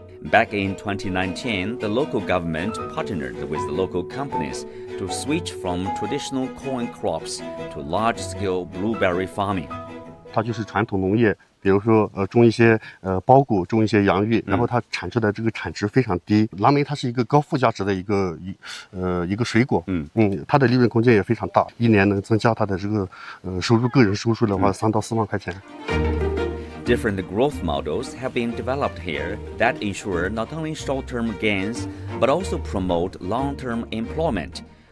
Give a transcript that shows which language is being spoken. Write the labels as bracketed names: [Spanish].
[English] Back in 2019, the local government partnered with the local companies to switch from traditional corn crops to large-scale blueberry farming. [Chinese] 它就是传统农业，比如说种一些包谷，种一些洋芋，然后它产出的这个产值非常低。蓝莓它是一个高附加值的一个水果，它的利润空间也非常大，一年能增加它的这个收入，个人收入的话，三到四万块钱。 [English] Different growth models have been developed here that ensure not only short-term gains, but also promote long-term employment.